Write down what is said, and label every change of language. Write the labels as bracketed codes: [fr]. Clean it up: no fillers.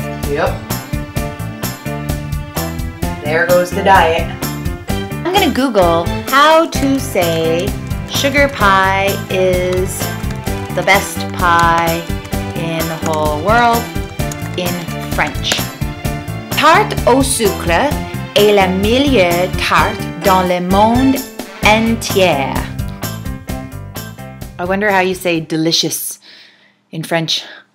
[en] Yep. There goes the diet. I'm gonna Google how to say sugar pie is the best pie in the whole world in French. [fr] Tarte au sucre est la meilleure tarte dans le monde entier. [en] I wonder how you say delicious in French.